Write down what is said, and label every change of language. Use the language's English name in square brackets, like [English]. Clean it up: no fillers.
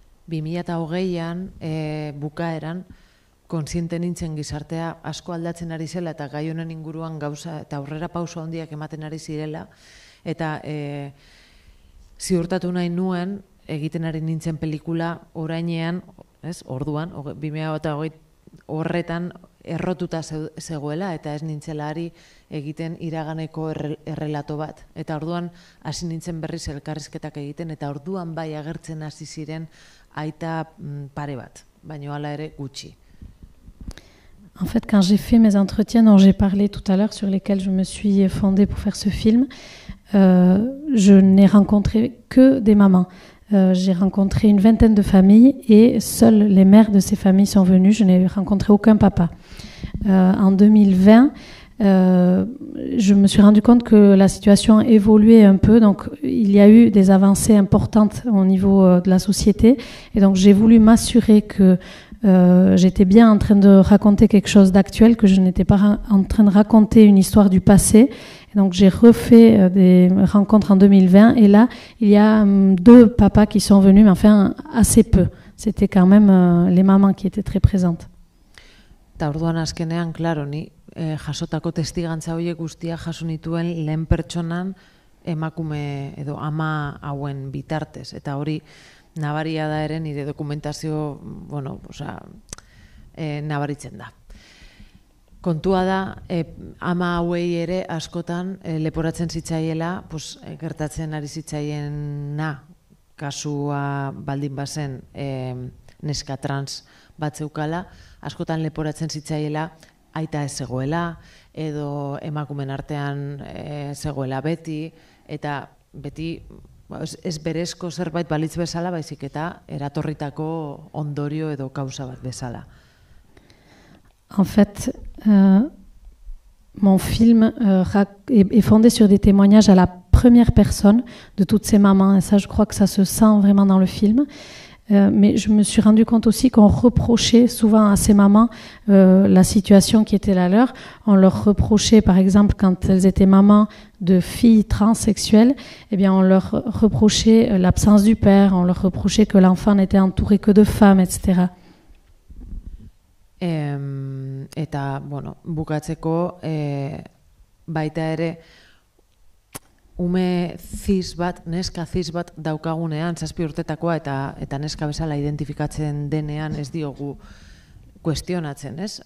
[Basque] 2020an bukaeran kontziente nintzen gizartea asko aldatzen ari zela eta gai honen inguruan gauza eta aurrera pauso handiak ematen ari zirela eta ziurtatu nahi nuen egiten ari nintzen pelikula orainean, ez? Orduan 2020 horretan errotuta zegoela eta ez nintzelari egiten iraganeko errelato bat. Eta orduan hasi nintzen berriz elkarrizketak egiten eta orduan bai agertzen hasi ziren aita pare bat, baino hala ere gutxi. [French] En fait, quand j'ai fait mes entretiens dont j'ai parlé tout à l'heure, sur lesquels je me suis fondée pour faire ce film, je n'ai rencontré que des mamans. J'ai rencontré une vingtaine de familles et seules les mères de ces familles sont venues. Je n'ai rencontré aucun papa. En 2020, je me suis rendu compte que la situation évoluait un peu. Donc, il y a eu des avancées importantes au niveau de la société. Et donc, j'ai voulu m'assurer que j'étais bien en train de raconter quelque chose d'actuel, que je n'étais pas en train de raconter une histoire du passé. Et donc j'ai refait des rencontres en 2020 et là, il y a deux papas qui sont venus, mais enfin assez peu. C'était quand même les mamans qui étaient très présentes. [Basque] Ta orduan azkenean, claro, ni jasotako testigantza horiek guztia jaso nituen lehen pertsonan emakume edo ama hauen bitartez. Eta hori nabaria da ere nire dokumentazio, bueno, osea, nabaritzen da. Kontua da, ama hauei ere askotan leporatzen zitzaiela, pues, gertatzen ari zitzaiena kasua baldin bazen neska trans bat zeukala, askotan leporatzen zitzaiela aita ez zegoela, edo emakumen artean zegoela beti, eta beti ez berezko zerbait balitz bezala, baizik eta eratorritako ondorio edo kausa bat bezala. [French] En fait, mon film est fondé sur des témoignages à la première personne de toutes ces mamans, et ça, je crois que ça se sent vraiment dans le film. Mais je me suis rendu compte aussi qu'on reprochait souvent à ces mamans la situation qui était la leur. On leur reprochait, par exemple, quand elles étaient mamans de filles transsexuelles, eh bien, on leur reprochait l'absence du père, on leur reprochait que l'enfant n'était entouré que de femmes, etc. [Basque] Eta, bueno, bukatzeko baita ere ume cis bat, neska cis bat daukagunean, 7 urtetakoa eta neska bezala identifikatzen denean ez diogu kuestionatzen, ez?